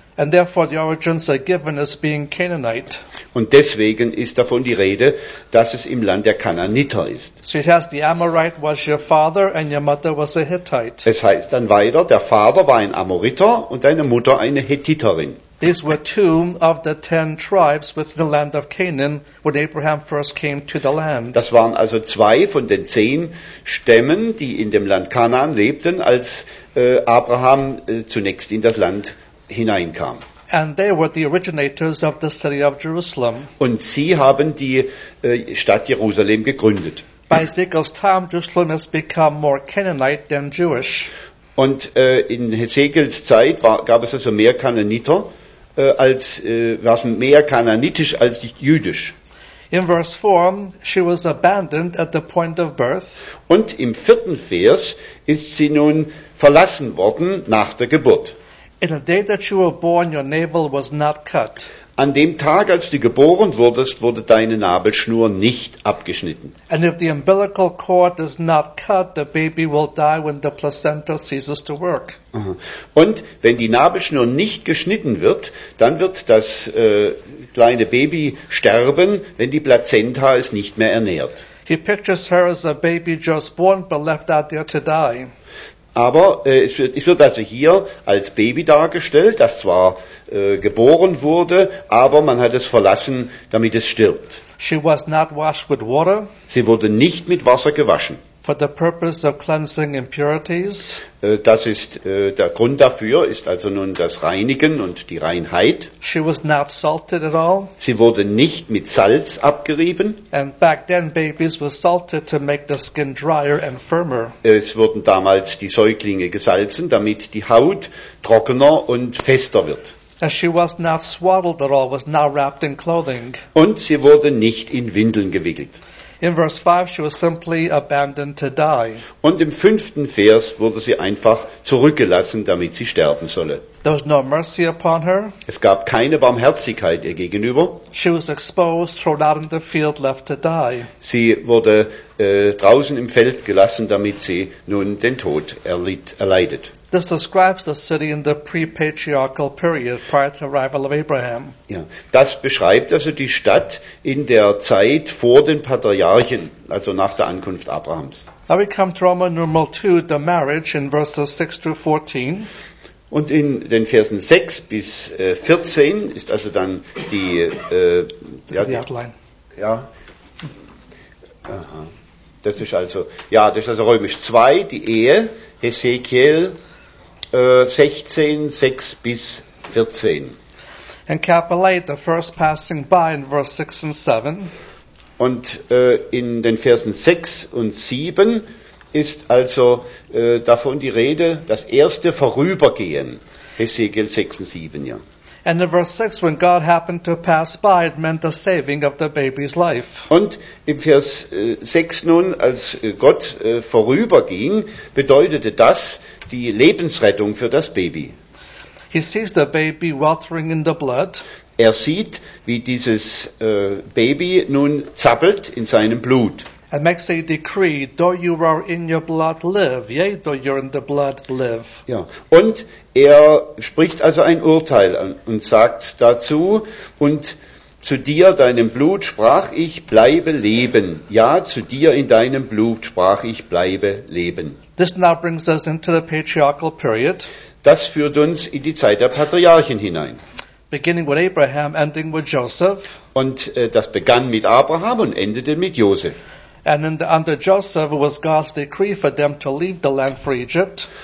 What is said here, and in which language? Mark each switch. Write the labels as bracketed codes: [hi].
[en] And therefore the origins are given as being Canaanite. [de] Und deswegen ist davon die Rede, dass es im Land der Kanaaniter ist. [en] So it says the Amorite was your father and your mother was a Hittite. [de] Es heißt dann weiter, der Vater war ein Amoriter und deine Mutter eine Hittiterin. [en] These were two of the 10 tribes within the land of Canaan when Abraham first came to the land. [de] Das waren also zwei von den 10 Stämmen, die in dem Land Kanaan lebten, als Abraham zunächst in das Land hineinkam. [en] And they were the originators of the city of Jerusalem. [de] Und sie haben die Stadt Jerusalem gegründet. [en] By Ezekiel's time, Jerusalem has become more Canaanite than Jewish. [de] Und in Ezekiels Zeit gab es also mehr Kanaaniter war es mehr kanaanitisch als jüdisch. [en] In verse 4, she was abandoned at the point of birth. [de] Und im vierten Vers ist sie nun verlassen worden nach der Geburt. [en] In the day that you were born, your navel was not cut. [de] An dem Tag, als du geboren wurdest, wurde deine Nabelschnur nicht abgeschnitten. [en] And if the umbilical cord is not cut, the baby will die when the placenta ceases to work. [de] Und wenn die Nabelschnur nicht geschnitten wird, dann wird das kleine Baby sterben, wenn die Plazenta es nicht mehr ernährt. [en] He pictures her as a baby just born but left out there to die. [de] Aber es wird also hier als Baby dargestellt, das zwar geboren wurde, aber man hat es verlassen, damit es stirbt. [en] She was not washed with water. [de] Sie wurde nicht mit Wasser gewaschen. [en] For the purpose of cleansing impurities. [de] Das ist der Grund dafür, ist also nun das Reinigen und die Reinheit. [en] She was not salted at all. [de] Sie wurde nicht mit Salz abgerieben. [en] And back then babies were salted to make the skin drier and firmer. [de] Es wurden damals die Säuglinge gesalzen, damit die Haut trockener und fester wird. [en] And she was not swaddled at all, was not wrapped in clothing. [de] Und sie wurde nicht in Windeln gewickelt. [en] In verse 5 she was simply abandoned to die. [de] Und im fünften Vers wurde sie einfach zurückgelassen, damit sie sterben solle. [en] There was no mercy upon her. [de] Es gab keine Barmherzigkeit ihr gegenüber. [en] She was exposed, thrown out in the field, left to die. [de] Sie wurde draußen im Feld gelassen, damit sie nun den Tod erleidet. [en] This describes the city in the pre-patriarchal period, prior to the arrival of Abraham. [de] Ja, das beschreibt also die Stadt in der Zeit vor den Patriarchen, also nach der Ankunft Abrahams. [en] Now we come to Roman numeral 2, the marriage, in verses 6 through 14. [de] Und in den Versen 6 bis 14 ist also dann die... die outline. Ja. Aha. Das ist also, ja, das ist also römisch 2, die Ehe, Hesekiel 16, 6 bis 14. In Kapitel [en] 8, the first passing by in verse 6 and 7. [de] Und in den Versen 6 und 7 ist also davon die Rede, das erste Vorübergehen, Hesekiel 6 und 7, ja. [en] And in verse 6, when God happened to pass by, it meant the saving of the baby's life. [de] Und im Vers 6 nun, als Gott vorüberging, bedeutete das die Lebensrettung für das Baby. [en] He sees the baby weltering in the blood. [de] Er sieht, wie dieses Baby nun zappelt in seinem Blut. [en] And makes a decree, though you are in your blood, live. Yea, though you're in the blood, live. [de] Ja, und er spricht also ein Urteil und sagt dazu, und zu dir, deinem Blut, sprach ich, bleibe leben. Ja, zu dir in deinem Blut, sprach ich, bleibe leben. [en] This now brings us into the patriarchal period. [de] Das führt uns in die Zeit der Patriarchen hinein. [en] Beginning with Abraham, ending with Joseph. [de] Und das begann mit Abraham und endete mit Joseph. [en] And in the, under Joseph was God's decree for them to leave the land for Egypt.